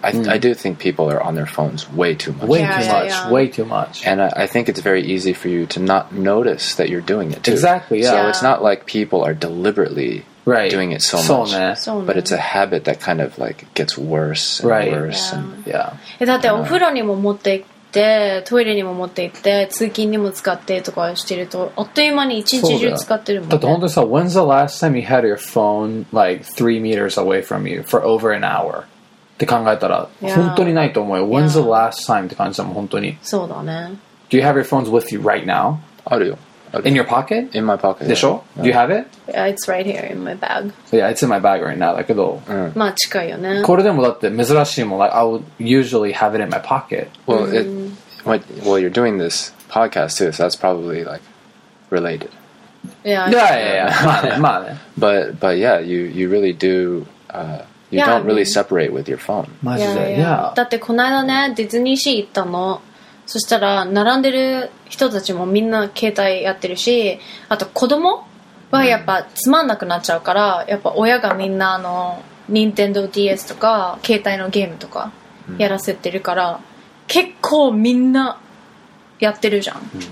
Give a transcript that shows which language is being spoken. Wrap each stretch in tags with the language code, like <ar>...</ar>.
<en>I do think people are on their phones way too much. Way too much. And I think it's very easy for you to not notice that you're doing it too. Exactly, yeah. So yeah. it's not like people are deliberately right. doing it so, so much.</en> <ja>Ne.</ja> <en>So but it's a habit that kind of like gets worse and right. worse. Yeah. And, yeah.</en> <ja>だってお風呂にも持っていって、トイレにも持っていって、通勤にも使ってとかしてると、あっという間に一日中使ってるもんね。だって本当にさ、</ja> <en>when's the last time you had your phone like 3 meters away from you for over an hour?</en> <ja>って考えたら、本当にないと思うよ。</ja> <en>When's the last time?</en> <ja>って感じたもん、本当に。そうだね。</ja> <en>Do you have your phones with you right now?</en> <ja>あるよ。</ja> <en>In your pocket? In my pocket.</en> <ja>でしょ?</ja> <en>Do you have it? Yeah, it's right here in my bag. Yeah, it's in my bag right now.</en> <ja>だけど、まあ近いよね。これでもだって珍しいもん。</ja> <en>Like, I would usually have it in my pocket. Well, you're doing this podcast too, so that's probably like related. Yeah. But yeah, you really do, you don't really separate with your phone.</en> <ja>マジで?</ja> <en>Yeah.</en> <ja>だってこの間ね、ディズニーシー行ったの。そしたら並んでる人たちもみんな携帯やってるし、あと子供はやっぱつまんなくなっちゃうから、やっぱ親がみんなあの Nintendo DS とか携帯のゲームとかやらせてるから、結構みんなやってるじゃん。</ja>